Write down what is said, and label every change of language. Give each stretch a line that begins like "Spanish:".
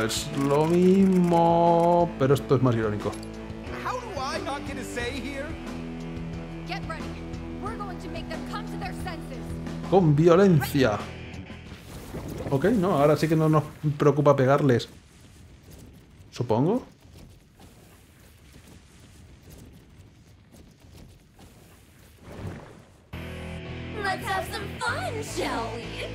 Spanish: Es lo mismo, pero esto es más irónico.
English: How do I not get a say here? Get ready. We're going to make them come to their senses.
Spanish: Con violencia. Ok, no, ahora sí que no nos preocupa pegarles. Supongo.
English: Let's have some fun, shall we?